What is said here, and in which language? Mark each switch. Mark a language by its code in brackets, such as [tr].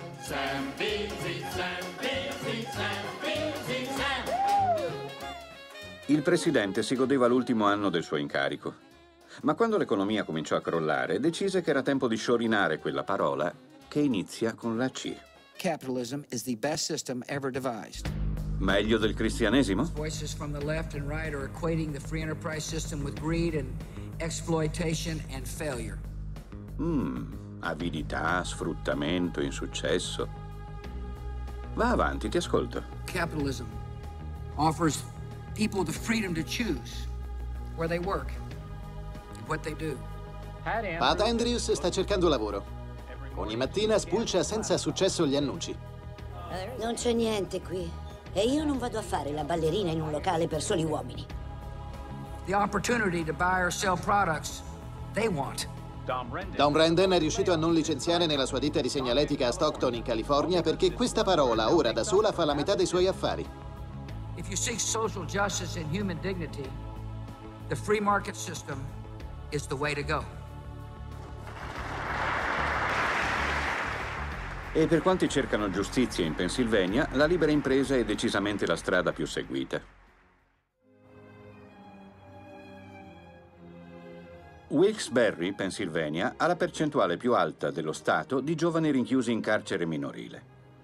[en] Sam, busy, Sam, busy, Sam. [it] Il presidente si godeva l'ultimo anno del suo incarico. Ma quando l'economia cominciò a crollare, decise che era tempo di sciorinare quella parola che inizia con la C. [en] Capitalism is the best system ever devised. [it] Meglio del cristianesimo? [en] Voices from the left and right are equating the free enterprise system with greed and exploitation and failure. [it] Avidità, sfruttamento, insuccesso. Va avanti, ti ascolto. [en] Capitalism offers people the freedom to choose where they work, what they do. [it] Pat Andrews sta cercando lavoro. Ogni mattina spulcia senza successo gli annunci. Non c'è niente qui. E io non vado a fare la ballerina in un locale per soli uomini. [en] The opportunity to buy or sell products they want. [it] Don Brandon è riuscito a non licenziare nella sua ditta di segnaletica a Stockton, in California, perché questa parola ora da sola fa la metà dei suoi affari. [en] If you seek social justice and human dignity, the free market system is the way to go. [it] E per quanti cercano giustizia in Pennsylvania, la libera impresa è decisamente la strada più seguita. Wilkes-Barre, Pennsylvania, ha la percentuale più alta dello Stato di giovani rinchiusi in carcere minorile.